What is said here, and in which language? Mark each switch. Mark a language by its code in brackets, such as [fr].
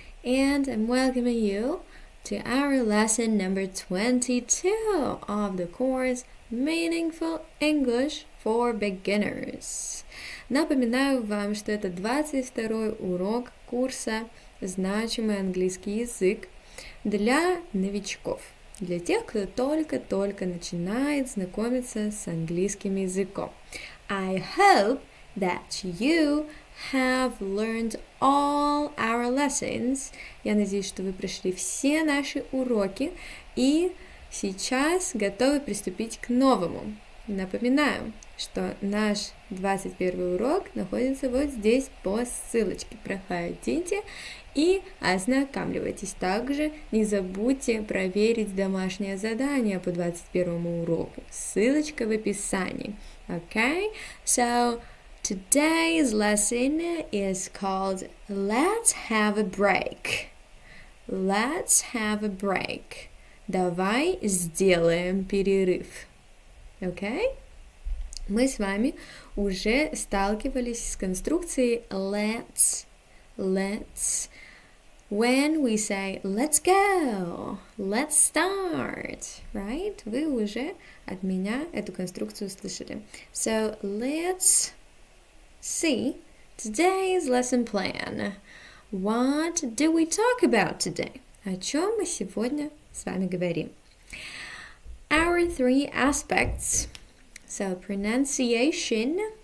[en] And I'm welcoming you to our lesson number 22 of the course Meaningful English for Beginners. [ru] Напоминаю вам, что это 22-й урок курса «Значимый английский язык» для новичков, для тех, кто только-только начинает знакомиться с английским языком. [en] I hope that you have learned all our lessons. [ru] Я надеюсь, что вы прошли все наши уроки и сейчас готовы приступить к новому. Напоминаю, что наш 21-й урок находится вот здесь по ссылочке. Проходите и ознакомьтесь. Также не забудьте проверить домашнее задание по 21-му уроку. Ссылочка в описании. [en] Okay? So, today's lesson is called Let's Have a Break. Let's Have a Break. [ru] Давай сделаем перерыв. [en] Okay? [ru] Мы с вами уже сталкивались с конструкцией let's, let's. [en] When we say let's go, let's start, right? [ru] Вы уже от меня эту конструкцию слышали. [en] So let's see today's lesson plan. What do we talk about today? [ru] О чем мы сегодня с вами говорим? [en] Our three aspects. So, pronunciation.